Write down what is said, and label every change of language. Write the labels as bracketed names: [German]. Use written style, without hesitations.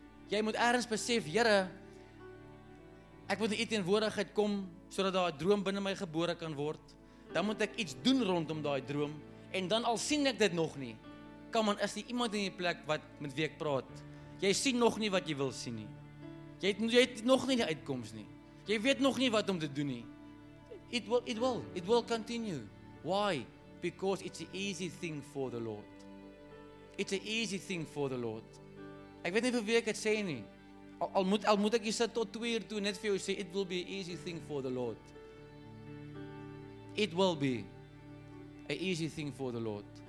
[Afrikaans] Jy moet ergens besef, Here, ek moet in U teenwoordigheid kom, sodat daai droom binne my gebore kan word. Dan moet ek iets doen rondom daai droom, en dan al sien ek dit nog nie, kom aan, is die iemand in die plek wat met wie ek praat. Jy sien nog nie wat jy wil sien nie. Jy het nog nie die uitkoms nie. Jy weet nog nie wat om te doen nie. [English] It will continue. Why? Because it's an easy thing for the Lord. It's an easy thing for the Lord. [Afrikaans] Ek weet nie vir wie ek het sê nie. Al moet ek jy sit tot 2 uur toe net vir jou sê, [English] it will be an easy thing for the Lord. It will be an easy thing for the Lord.